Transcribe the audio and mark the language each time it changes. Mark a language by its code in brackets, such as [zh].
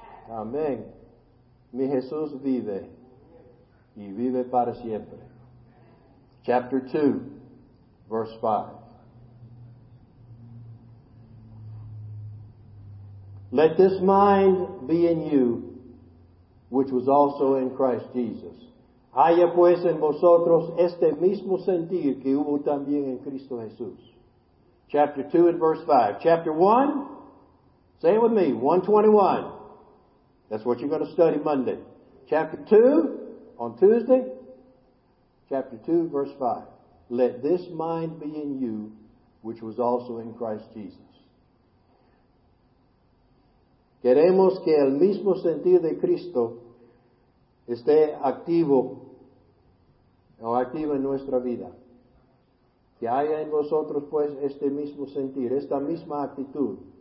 [es] Amen. Mi Jesús vive. Y vive para siempre. [en] Chapter 2, verse 5. Let this mind be in you, which was also in Christ Jesus. [es] Haya pues en vosotros este mismo sentir que hubo también en Cristo Jesús. [en] Chapter 2 and verse 5. Chapter 1, say it with me, 121. That's what you're going to study Monday. Chapter 2, on Tuesday. Chapter 2, verse 5. Let this mind be in you, which was also in Christ Jesus. [es] Queremos que el mismo sentir de Cristo esté activo o activa en nuestra vida. Que haya en vosotros, pues, este mismo sentir, esta misma actitud.